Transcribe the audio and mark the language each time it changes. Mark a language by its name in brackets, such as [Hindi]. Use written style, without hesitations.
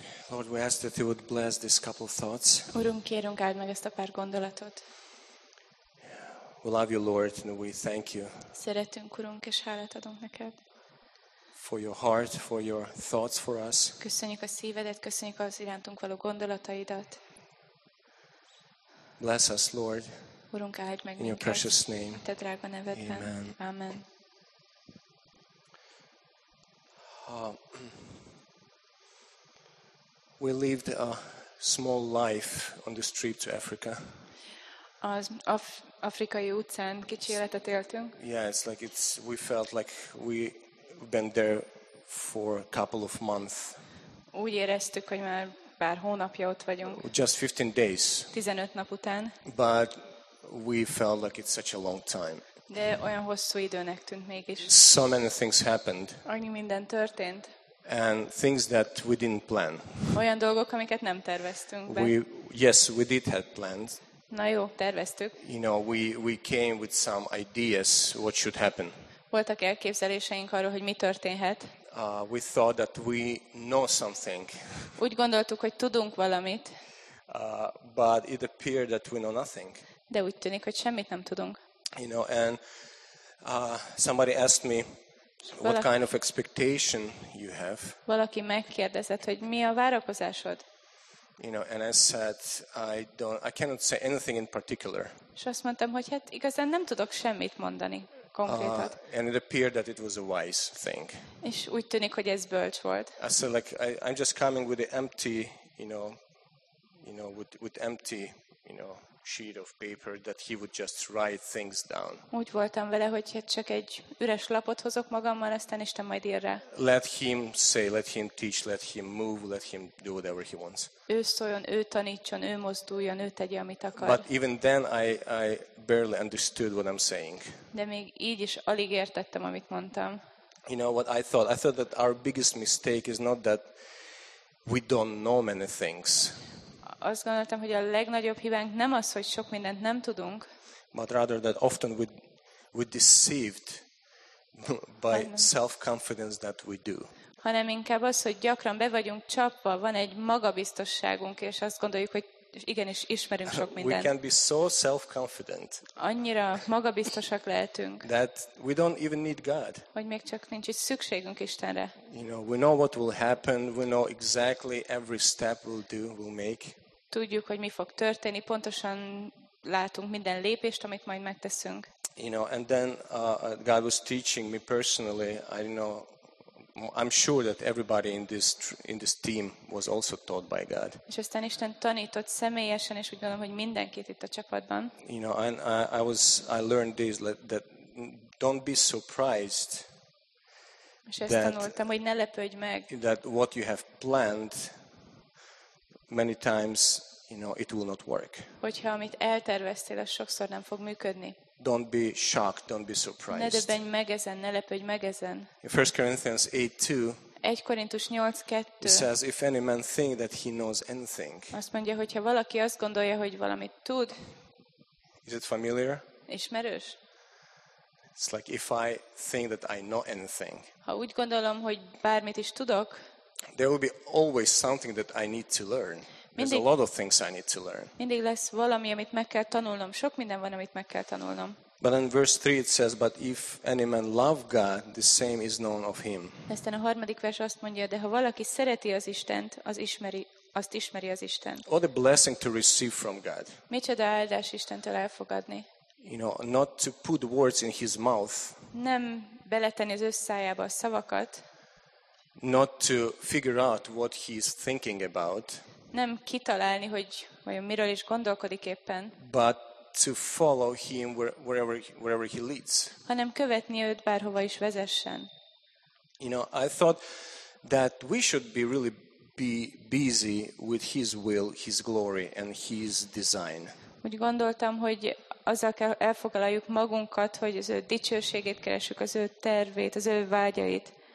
[English] Lord, we ask that you would bless this couple of thoughts. [Hungarian] Urunk, kérünk, áld meg ezt a pár gondolatot. [English] We love you, Lord, and we thank you. [Hungarian] Szeretünk, Urunk, és hálát adunk neked. [English] For your heart, for your thoughts for us. [Hungarian] Köszönjük a szívedet, köszönjük az irántunk való gondolataidat. [English] Bless us, Lord. [Hungarian] Urunk, áld meg [English] in your precious name. [Hungarian] Te drága nevedben. Amen. Amen. [English] We lived a small life on this trip to Africa. [Hungarian] Az afrikai utcán kicsi életet éltünk. [English] Yeah, it's like it's we felt like we've been there for a couple of months. [Hungarian] Úgy éreztük, hogy már pár hónapja ott vagyunk. [English] Just 15 days. [Hungarian] 15 nap után. [English] But we felt like it's such a long time. [Hungarian] De olyan hosszú időnek tűnt mégis. [English] So many things happened. [Hungarian] Annyi minden történt. [English] And things that we didn't plan. [Hungarian] Olyan dolgok, amiket nem terveztünk be. [English] Yes, we did have plans. [Hungarian] Na jó, terveztük. [English] You know, we came with some ideas what should happen. [Hungarian] Voltak elképzeléseink arról, hogy mi történhet. [English] We thought that we know something. [Hungarian] Úgy gondoltuk, hogy tudunk valamit. [English] But it appeared that we know nothing. [Hungarian] De úgy tűnik, hogy semmit nem tudunk. [English] You know, and somebody asked me what kind of expectation you have. [Hungarian] Valaki megkérdezett, hogy mi a várakozásod? [English] You know, and I said I cannot say anything in particular. [Hungarian] És azt mondtam, hogy hát igazán nem tudok semmit mondani konkrétat. [English] And it appeared that it was a wise thing. [Hungarian] És úgy tűnik, hogy ez bölcs volt. [English] I said like I'm just coming with the empty, you know with empty, you know, sheet of paper that he would just write things down. [Hungarian] Úgy voltam vele, hogy csak egy üres lapot hozok magammal, aztán Isten majd ír rá. [English] Let him say, let him teach, let him move, let him do whatever he wants. [Hungarian] Ő szóljon, ő tanítson, ő mozduljon, ő tegye, amit akar. [English] But even then I barely understood what I'm saying. [Hungarian] De még így is alig értettem, amit mondtam. [English] You know what I thought? I thought that our biggest mistake is not that we don't know many things. [Hungarian] Azt gondoltam, hogy a legnagyobb hibánk nem az, hogy sok mindent nem tudunk. [English] But rather that often we deceived by self-confidence that we do. [Hungarian] Hanem inkább az, hogy gyakran be vagyunk csapva, van egy magabiztosságunk, és azt gondoljuk, hogy igenis ismerünk sok mindent. [English] We can be so self-confident. [Hungarian] Annyira magabiztosak lehetünk. [English] That we don't even need God. [Hungarian] Hogy még csak nincs is szükségünk Istenre. [English] You know, we know what will happen, we know exactly every step we'll make. [Hungarian] Tudjuk, hogy mi fog történni, pontosan látunk minden lépést, amit majd megteszünk. [English] You know, and then God was teaching me personally. I don't know, I'm sure that everybody in this team was also taught by God. [Hungarian] És aztán Isten tanított személyesen, és úgy gondolom, hogy mindenkit itt a csapatban. [English] You know, and I learned this, that don't be surprised. [Hungarian] És ezt tanultam, hogy ne lepődj meg. [English] That what you have planned many times, you know, it will not work. [Hungarian] Hogyha amit elterveztél, az sokszor nem fog működni. [English] Don't be shocked, don't be surprised. [Hungarian] Ne döbbenj meg ezen, ne lepődj meg ezen. [English] 1 Corinthians 8:2. [Hungarian] 1 Korintus 8:2. [English] It says if any man think that he knows anything. [Hungarian] Azt mondja, hogyha valaki azt gondolja, hogy valamit tud. [English] Is it familiar? [Hungarian] Ismerős? [English] It's like if I think that I know anything. [Hungarian] Ha úgy gondolom, hogy bármit is tudok. [English] There will be always something that I need to learn. There's a lot of things I need to learn. [Hungarian] Mindig lesz valami, amit meg kell tanulnom. Sok minden van, amit meg kell tanulnom. [English] But in verse 3 it says, but if any man love God, the same is known of him. [Hungarian] Aztán a harmadik vers azt mondja, de ha valaki szereti az Istent, azt ismeri az Istent. [English] What a blessing to receive from God. [Hungarian] Micsoda áldás Istentől elfogadni. [English] You know, not to put words in his mouth. [Hungarian] Nem beletenni az ő szájába a szavakat. [English] Not to figure out what he's thinking about. [Hungarian] Nem kitalálni, hogy vajon miről is gondolkodik éppen. [English] But to follow him wherever he leads. [Hungarian] Hanem követni őt bárhova is vezessen. [English] You know, I thought that we should be really be busy with his will, his glory and his design. [Hungarian] Úgy gondoltam, hogy azzal kell elfoglaljuk magunkat, hogy az ő dicsőségét keressük, az ő tervét, az ő vágyait.